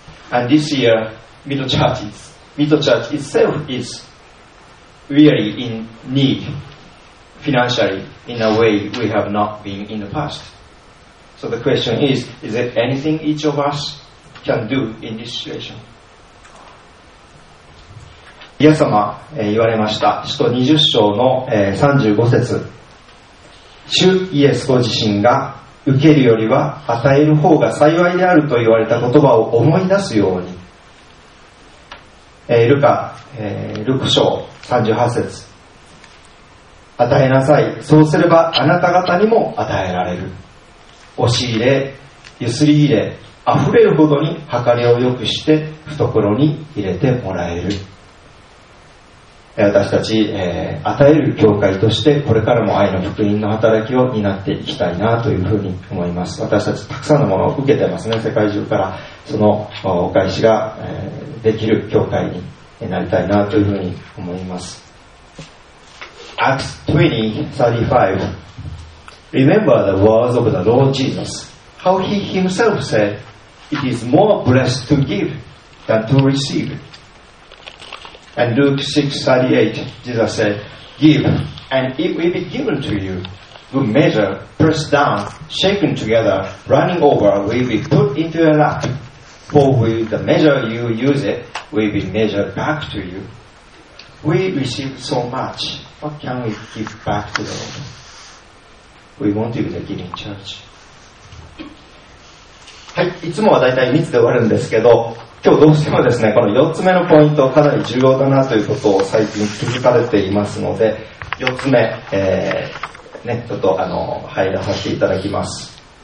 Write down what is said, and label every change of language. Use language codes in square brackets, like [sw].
[en] And this year, Middle Church itself is really in need financially in a way we have not been in the past. So the question is there anything each of us can do in this situation? [ja] イエス様、言われました。使徒20章の、35節。主イエスご自身が受けるよりは与える方が幸いであると言われた言葉を思い出すように。ルカ書38節。与えなさい。そうすればあなた方にも与えられる。押し入れ、ゆすり入れ、あふれるほどに計りをよくして懐に入れてもらえる。私たち、与える教会としてこれからも愛の福音の働きを担っていきたいなというふうに思います。私たちたくさんのものを受けてますね。世界中からそのお返しが、できる教会になりたいなというふうに思います。 [en] Acts 20:35. Remember the words of the Lord Jesus, how he himself said, it is more blessed to give than to receive. And Luke 6:38, Jesus said, give, and it will be given to you. Good measure, pressed down, shaken together, running over, will be put into your lap. For with the measure you use it, will be measured back to you. We receive so much, what can we give back to the Lord? We want to be the giving church. [ja] はい、いつもはだいたい3つで終わるんですけど、今日どうしてもですね、この4つ目のポイントかなり重要だなということを最近気づかれていますので、4つ目、ね、ちょっと入らさせていただきます。